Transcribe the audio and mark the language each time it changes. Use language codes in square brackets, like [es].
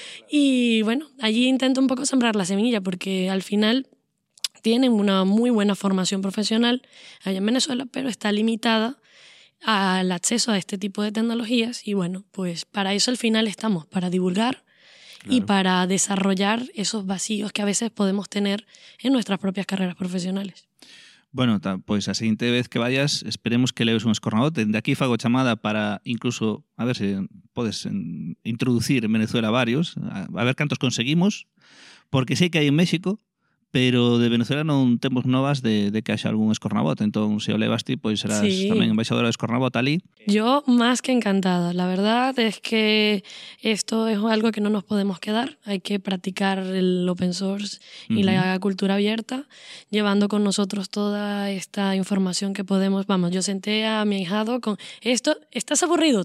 [es] Y bueno, allí intento un poco sembrar la semilla porque al final tienen una muy buena formación profesional allá en Venezuela, pero está limitada al acceso a este tipo de tecnologías y bueno, pues para eso al final estamos, para divulgar, claro, y para desarrollar esos vacíos que a veces podemos tener en nuestras propias carreras profesionales. Bueno, pues la siguiente vez que vayas, esperemos que leves un escornabote. De aquí hago llamada para incluso, a ver si puedes introducir en Venezuela varios, a ver cuántos conseguimos, porque sé que hay en México, [gl] pero de Venezuela non temos novas de que haxa algún escornabot. Entón, se o levaste, pois serás tamén embaixadora de escornabot ali. Yo, máis que encantada. [es] La verdad es que esto es algo que no nos podemos quedar. Hay que practicar el open source y la cultura abierta, llevando con nosotros toda esta información que podemos. Vamos, yo senté a mi ahijado con esto. ¿Estás aburrido?